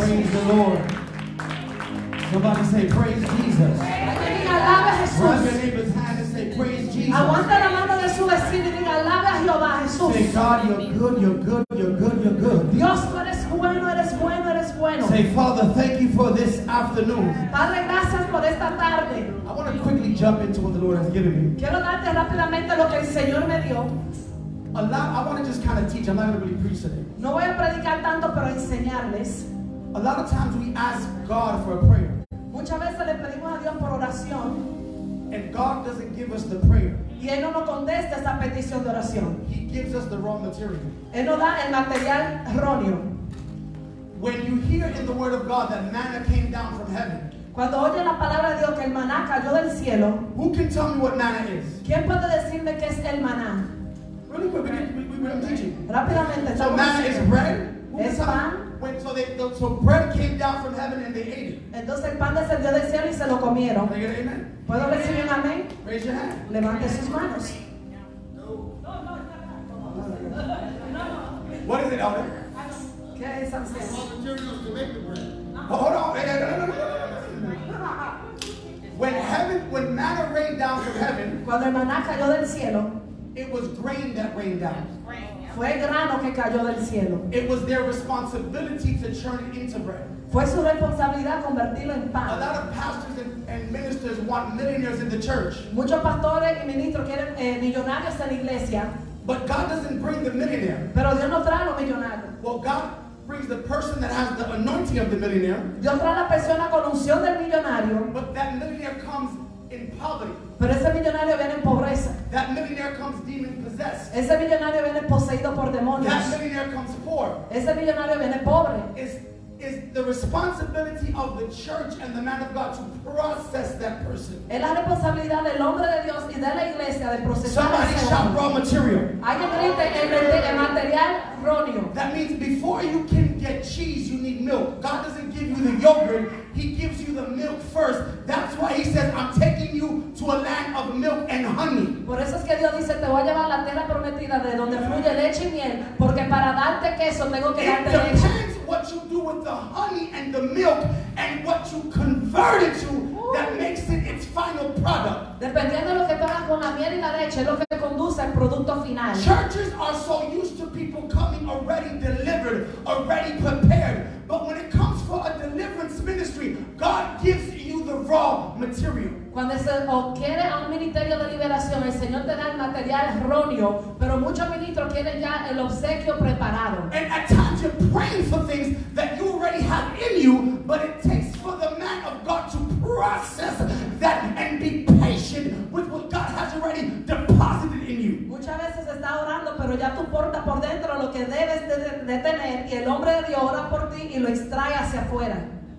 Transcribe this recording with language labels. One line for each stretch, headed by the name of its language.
English: Praise the Lord. Somebody say praise Jesus.
Spanish: Aguanta la mano de su vecino y diga alabe a Jehová Jesús.
English: Say God, you're good, you're good, you're good, you're good.
Spanish: Dios, tú eres bueno, eres bueno, eres bueno.
English: Say Father, thank you for this afternoon.
Spanish: Padre, gracias por esta tarde.
English: I want to quickly jump into what the Lord has given me.
Spanish: Quiero darte rápidamente lo que el Señor me dio.
English: I want to just kind of teach. I'm not going to really preach today.
Spanish: No voy a predicar tanto, pero enseñarles.
English: A lot of times we ask God for a prayer.
Spanish: Muchas veces le pedimos a Dios por oración.
English: And God doesn't give us the prayer.
Spanish: Y él no nos contesta esa petición de oración.
English: He gives us the wrong material.
Spanish: Él nos da el material erróneo.
English: When you hear in the word of God that manna came down from heaven.
Spanish: Cuando oye la palabra de Dios que el maná cayó del cielo.
English: Who can tell me what manna is?
Spanish: ¿Quién puede decirme qué es el maná?
English: Really quick, we're teaching.
Spanish: Rápidamente.
English: So manna is bread.
Spanish: Es pan.
English: So bread came down from heaven and they ate it.
Spanish: Entonces el pan descendió del cielo y se lo comieron. ¿Puedo recibir un amén?
English: Raise your hand.
Spanish: Levante sus manos.
English: What is it, Alden?
Spanish: ¿Qué es eso?
English: Hold on. When manna rained down from heaven,
Spanish: cuando el maná cayó del cielo,
English: it was grain that rained down.
Spanish: Fue grano que cayó del cielo.
English: It was their responsibility to turn it into bread.
Spanish: Fue su responsabilidad convertirlo en pan.
English: A lot of pastors and ministers want millionaires in the church.
Spanish: Muchos pastores y ministros quieren millonarios en la iglesia.
English: But God doesn't bring the millionaire.
Spanish: Pero Dios no trae los millonarios.
English: Well, God brings the person that has the anointing of the millionaire.
Spanish: Dios trae la persona con unción del millonario.
English: But that millionaire comes in poverty.
Spanish: Pero ese millonario viene en pobreza.
English: That millionaire comes demon possessed.
Spanish: Ese millonario viene poseído por demonios.
English: That millionaire comes poor.
Spanish: Ese millonario viene pobre.
English: Is the responsibility of the church and the man of God to process that person.
Spanish: Es la responsabilidad del hombre de Dios y de la iglesia de procesar.
English: Somebody shout raw material.
Spanish: Alguien grite el material erróneo.
English: That means before you can get cheese, you need milk. God doesn't give you the yogurt. He gives you the milk first. That's why he says, I'm taking you to a land of milk and honey.
Spanish: Por eso es que Dios dice, te voy a llevar a la tierra prometida de donde fluye leche y miel, porque para darte queso tengo que darte leche.
English: It depends what you do with the honey and the milk and what you convert it to that makes it its final product.
Spanish: Dependiendo de lo que hagas con la miel y la leche, es lo que conduce al producto final.
English: Churches are so used to people coming already delivered, already prepared. But when it comes for a deliverance ministry, God gives you the raw material.
Spanish: Cuando se quiere a un ministerio de liberación, el Señor te da el material erróneo, pero muchos ministros quieren ya el obsequio preparado.
English: And at times you're praying for things that you already have in you, but it takes for the man of God to process that and be patient with what God has already deposited in you.
Spanish: Muchas veces está orando, pero ya tú portas por dentro lo que debes de tener, y el hombre de Dios ora por ti y lo extrae hacia afuera.